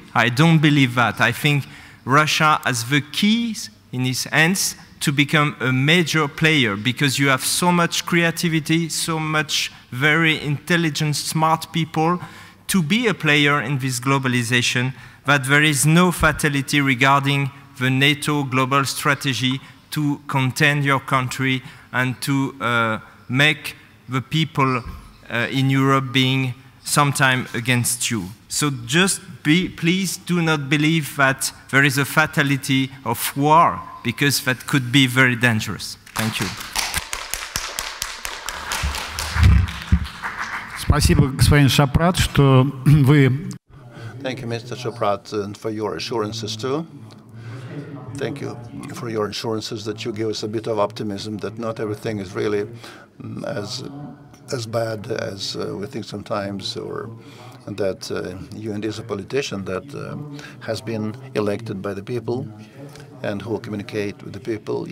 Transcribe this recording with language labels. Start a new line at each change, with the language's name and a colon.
English: I don't believe that. I think Russia has the keys in its hands to become a major player, because you have so much creativity, so much very intelligent, smart people to be a player in this globalization, that there is no fatality regarding the NATO global strategy to contain your country and to make the people in Europe being sometime against you. So just please do not believe that there is a fatality of war, because that could be very dangerous. Thank you.
Russian: Спасибо, господин Шапрат, что вы.
English: Thank you, Mr. Shoprat, and for your assurances too. Thank you for your assurances that you give us a bit of optimism that not everything is really as bad as we think sometimes, or that you indeed are a politician that has been elected by the people and who communicate with the people.